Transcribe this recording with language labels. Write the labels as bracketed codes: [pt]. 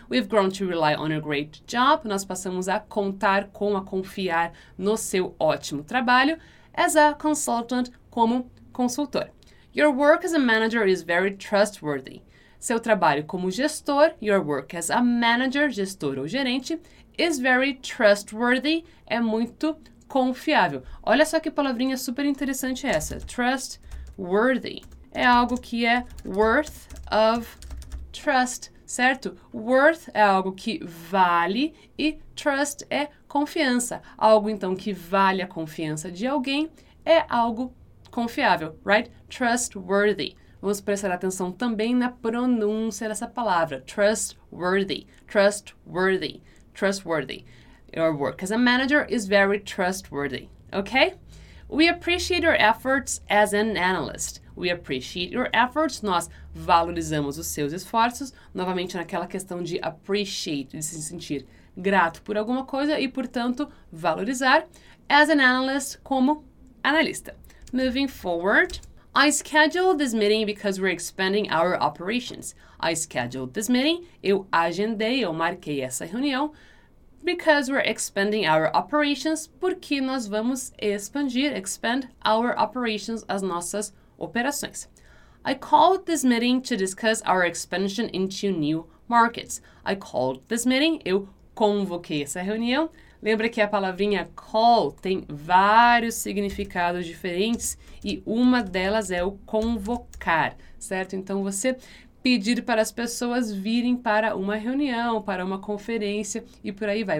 [en] We've grown to rely on your great job. [pt] Nós passamos a contar com, a confiar no seu ótimo trabalho [en] as a consultant, [pt] como consultor. [en] Your work as a manager is very trustworthy. [pt] Seu trabalho como gestor, [en] your work as a manager, [pt] gestor ou gerente, [en] is very trustworthy, [pt] é muito confiável. Olha só que palavrinha super interessante essa, trustworthy. É algo que é [en] worth of trust. [pt] Certo? Worth é algo que vale e trust é confiança. Algo então que vale a confiança de alguém é algo confiável, right? Trustworthy. Vamos prestar atenção também na pronúncia dessa palavra. [en] Trustworthy. Trustworthy. Trustworthy. Your work as a manager is very trustworthy. Okay? We appreciate your efforts as an analyst. We appreciate your efforts. [pt] Nós valorizamos os seus esforços. Novamente, naquela questão de appreciate, de se sentir grato por alguma coisa e, portanto, valorizar. [en] As an analyst, [pt] como analista. [en] Moving forward, I scheduled this meeting because we're expanding our operations. I scheduled this meeting. [pt] Eu agendei, eu marquei essa reunião. [en] Because we're expanding our operations, [pt] porque nós vamos expandir, [en] expand our operations, [pt] as nossas operações. [en] I called this meeting to discuss our expansion into new markets. I called this meeting, [pt] eu convoquei essa reunião. Lembra que a palavrinha call tem vários significados diferentes e uma delas é o convocar, certo? Então você pedir para as pessoas virem para uma reunião, para uma conferência e por aí vai.